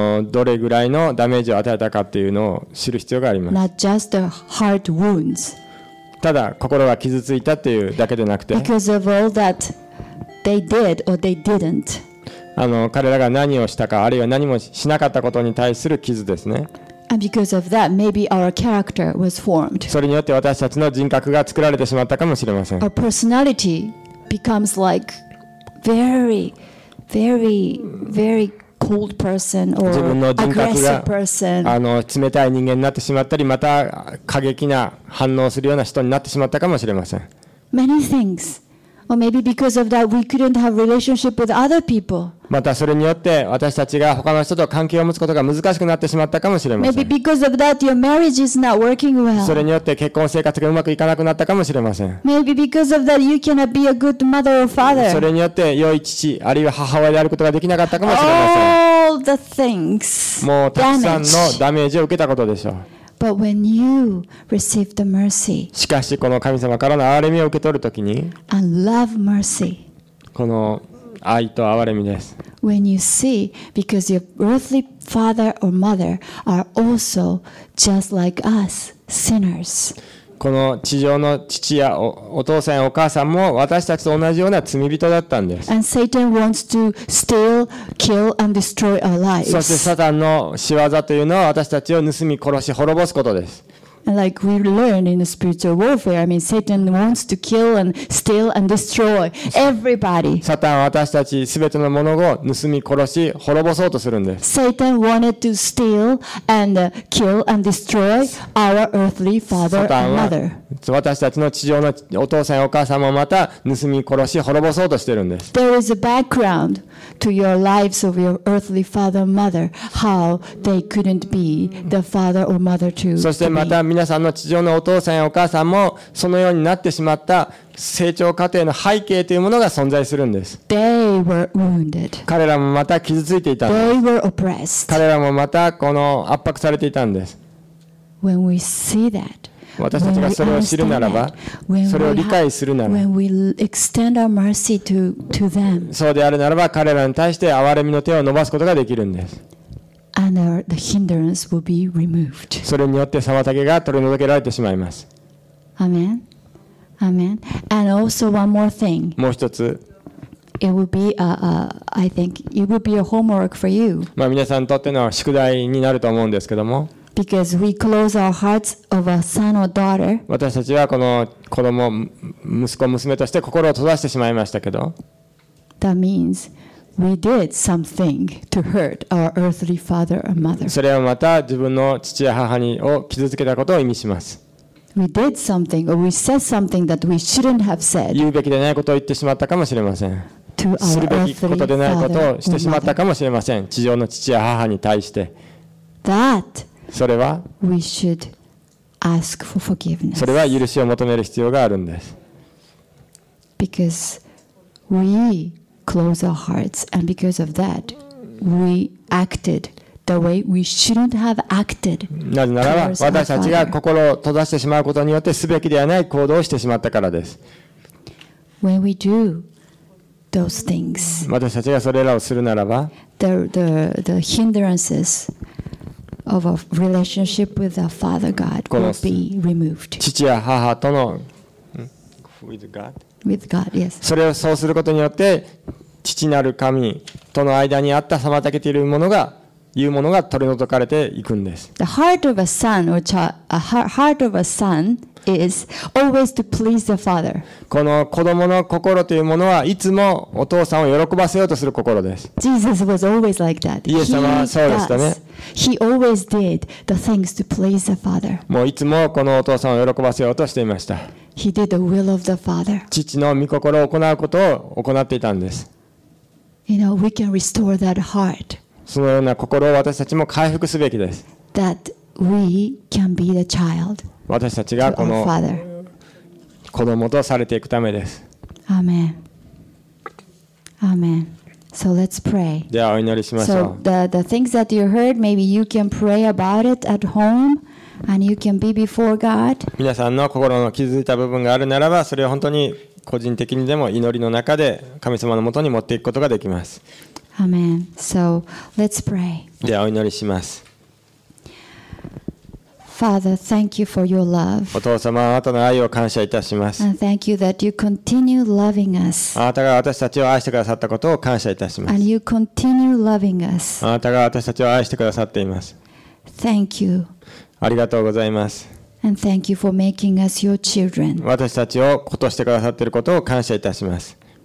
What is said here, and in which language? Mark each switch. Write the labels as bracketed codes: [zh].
[ja] どれぐらいのダメージを与えたかっていうのを知る必要があります。 [en] Not just the heart wounds. [ja] ただ心が傷ついたっていうだけでなくて、 [en] Because of all that they did or they didn't. [ja] 彼らが何をしたかあるいは何もしなかったことに対する傷ですね。 [en] And because of that, maybe our character was formed. [ja] それによって私たちの人格が作られてしまったかもしれません。 [en] Our personality becomes like very, very, very cold person or aggressive person. [ja] 自分の人格が冷たい人間になってしまったり、また過激な反応するような人になってしまったかもしれません。 [en] Many things, or maybe because of that, we couldn't have relationship with other people. [ja] またそれによって私たちが他の人と関係を持つことが難しくなってしまったかもしれません。 [en] Maybe because of that, your marriage is not working well. [ja] それによって結婚生活がうまくいかなくなったかもしれません。 [en] Maybe because of that, you cannot be a good mother or father. [ja] それによって良い父あるいは母親であることができなかったかもしれません。 [en] All the things, [ja] もうたくさんのダメージを受けたことでしょう。 [en] But when you receive the mercy, [ja] しかしこの神様からの憐れみを受け取るときに、 [en] and love mercy, [ja] この愛と憐れみです。 [en] When you see, because your earthly father or mother are also just like us, sinners. [ja] この地上の父や お父さんやお母さんも私たちと同じような罪人だったんです。 [en] And Satan wants to steal, kill, and destroy our lives. [ja] そしてサタンの仕業というのは私たちを盗み殺し滅ぼすことです。 [en] Like we learn in the spiritual warfare, I mean, Satan wants to kill and steal and destroy everybody. [ja] Satan は私たちすべてのものを盗み殺し滅ぼそうとするんです。 [en] Satan wanted to steal and kill and destroy our earthly father and mother. [ja] 私たちの地上のお父さんお母さんもまた盗み殺し滅ぼそうとしてるんです。 [en] There is a background to your lives of your earthly father and mother, how they couldn't be the father or mother to me. [ja] そしてまた皆さんの地上のお父さんやお母さんもそのようになってしまった成長過程の背景というものが存在するんです。 [en] They were wounded. [ja] 彼らもまた傷ついていたんです。 [en] They were oppressed. [ja] 彼らもまたこの圧迫されていたんです。 [en] When we see that, [ja] 私たちがそれを知るならば、 それを理解するなら、 [en] When we extend our mercy to them, [ja] そうであるならば彼らに対して憐れみの手を伸ばすことができるんです。 [en] And the hindrance will be removed. [ja] それによって妨げが取り除けられてしまいます。 [en] Amen. Amen. And also one more thing. [ja] もう一つ。 [en] It will be I think it will be a homework for you. [ja] まあ皆さんにとっての宿題になると思うんですけども。 [en] Because we close our hearts of a son or daughter. [ja] 私たちはこの子供、息子娘として心を閉ざしてしまいましたけど。 [en] That means. We did something to hurt our earthly father and mother. [ja] それはまた自分の父や母にを傷つけたことを意味します。 [en] We did something or we said something that we shouldn't have said. [ja] 言うべきでないことを言ってしまったかもしれません。 [en] To our earthly father and mother. [ja] するべきことでないことをしてしまったかもしれません。地上の父や母に対して。 [en] That. [ja] それは。 [en] We should ask for forgiveness. [ja] それは許しを求める必要があるんです。 [en] Because we. Close our hearts, and because of that, we acted the way we shouldn't have acted. [ja] なぜならば、私たちが心を閉ざしてしまうことによってすべきではない行動をしてしまったからです。 [en] When we do those things, [ja] 私たちがそれらをするならば、 [en] the hindrances of a relationship with our Father God will be removed. [ja] 父や母との [en] with God. With God, yes. [ja] それをそうすることによって父なる神との間にあった妨げているものがいうものが取り除かれていくんです。 [en] The heart of a son or child, a heart of a son is always to please the father. [ja] この子供の心というものはいつもお父さんを喜ばせようとする心です。 [en] Jesus was always like that. [ja] イエス様はそうでしたね。 [en] He always did the things to please the father. [ja] もういつもこのお父さんを喜ばせようとしていました。 [en] He did the will of the Father. [ja] 父の御心を行うことを行っていたんです。 [en] You know, we can restore that heart. [ja] そのような心を私たちも回復すべきです。 [en] That we can be the child. [ja] 私たちがこの子供とされていくためです。 [en] Amen. Amen. So let's pray. [ja] ではお祈りしましょう。 [en] So the things that you heard, maybe you can pray about it at home. And you can be before God. [ja] 皆さんの心の傷ついた部分があるならば、それを本当に個人的にでも祈りの中で神様のもとに持っていくことができます。 [en] Amen. So, let's pray. [ja] ではお祈りします。 [en] Father, thank you for your love. [ja] お父様、あなたの愛を感謝いたします。 [en] And thank you that you continue loving us. [ja] あなたが私たちを愛してくださったことを感謝いたします。 [en] And you continue loving us. [ja] あなたが私たちを愛してくださっています。 [en] Thank you. [ja] ありがとうございます。 [en] And thank you for making us your children. [ja] 私たちを子としてくださっていることを感謝いたします。